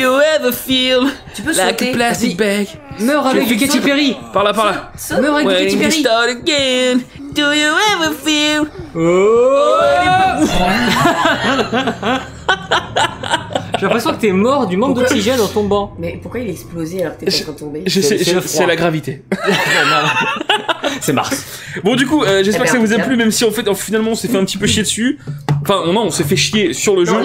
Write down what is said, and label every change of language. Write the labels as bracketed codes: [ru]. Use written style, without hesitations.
[en] You ever feel like a plastic bag? [fr] Meurs avec du Katy Perry. Par là. Meurs avec du Katy Perry. [en] When you start again, do you ever feel? [fr] J'ai l'impression que t'es mort du manque d'oxygène en tombant. Mais pourquoi il a explosé alors que t'es en train de tomber? C'est la gravité. C'est Mars. Bon, du coup, j'espère que ça vous a plu, même si en fait, finalement, on s'est fait un petit peu chier dessus. Enfin, non, on s'est fait chier sur le jeu.